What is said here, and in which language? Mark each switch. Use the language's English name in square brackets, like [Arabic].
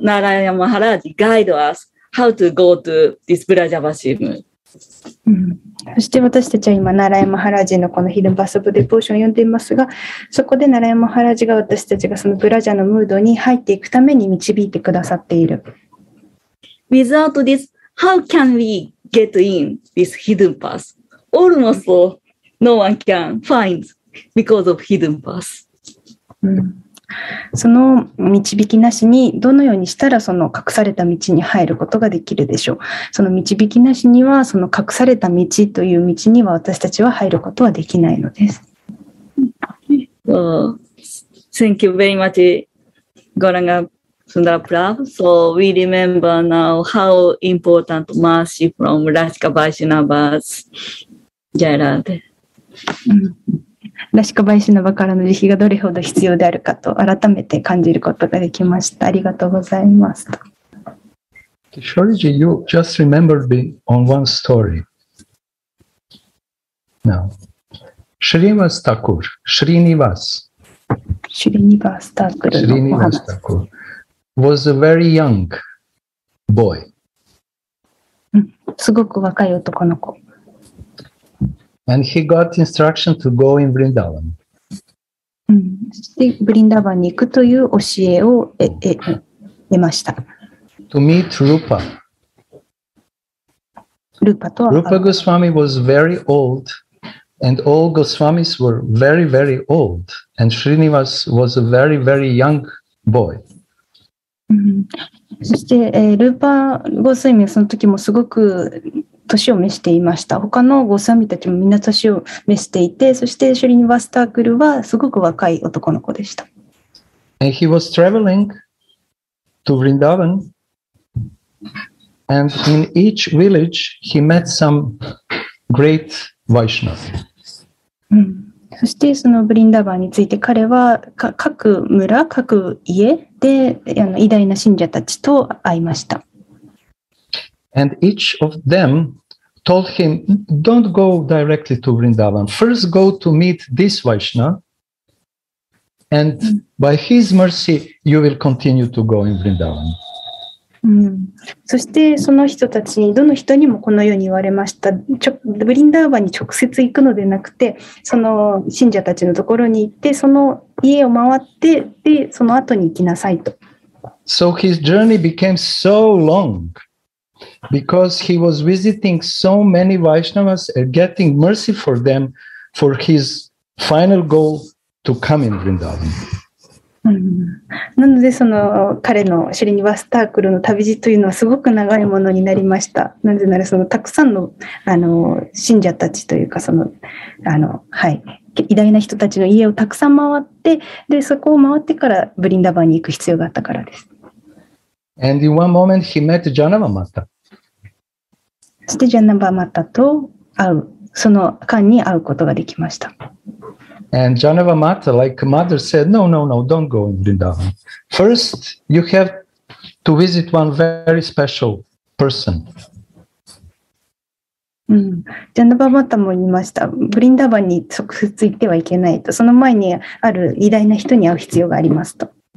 [English] Narayana Maharaj guide us how to go to this Brajavashimu. [Japanese] そして私たちは今ナラヤマハラジのこのヒルバスオブデポーションを読んでいますが、そこでナラヤマハラジが私たちがそのブラジャのムードに入っていくために導いてくださっている。 [English] Without this, how can we get in this hidden path? Almost no one can find because of hidden path、 [Japanese] うん、その導きなしにどのようにしたらその隠された道に入ることができるでしょう。その導きなしにはその隠された道という道には私たちは入ることはできないのです。 [English] Thank you very much, Goranga Sundara Prabhu. So we remember now how important mercy from Rashika Vaishnava's Jai Radhe. [Japanese] ラシカバイシナバからの慈悲がどれほど必要であるかと改めて感じることができました。ありがとうございます。 [English] Shoriji, you just remembered me on one story. Now, Srinivas Thakur, Srinivas. Srinivas Thakur. Srinivas Thakur was a very young boy. [Japanese] すごく若い男の子。 [English] And he got instruction to go in Vrindavan. [Japanese] Vrindavan に行くという教えを得ました。 [English] To meet Rupa. [Japanese] Rupa と。 [English] Rupa Goswami was very old, and all Goswamis were very, very old, and Srinivas was a very, very young boy. [Japanese] そして、Rupa Goswami はその時もすごく年を召していました。他のゴスワミたちもみんな年を召していて、そしてシュリニバスタークルはすごく若い男の子でした。 [English] And he was traveling to Vrindavan, and in each village he met some great Vaishnava. [Japanese] そしてそのブリンダーバーについて彼は各村各家で偉大な信者たちと会いました。 [English] And each of themTold him, don't go directly to Vrindavan. First go to meet this Vaishnava, and by his mercy, you will continue to go in Vrindavan.、 [Japanese] そしてその人たちに、どの人にもこのように言われました。ブリンダーバンに直接行くのでなくて、その信者たちのところに行って、その家を回って、で、その後に行きなさいと。 [English] So his journey became so long. because he was visiting so many Vaishnavas and getting mercy for them for his final goal to come in Vrindavan. [Japanese] なのでその彼のシリニバスタークルの旅路というのはすごく長いものになりました。なぜならそのたくさん の, あの信者たちというかそのあの、はい、偉大な人たちの家をたくさん回って、でそこを回ってからブリンダバンに行く必要があったからです。 [English] And in one moment he met Janava Mata. [Japanese] そしてジャナバマタと会う、その間に会うことができました。 [English] And Janava Mata, like mother, said, no, no, no, don't go in Vrindavan. First, you have to visit one very special person. [Japanese] Janava Mata も言いました。ブリンダバンに直接行ってはいけないと。その前にある偉大な人に会う必要がありますと。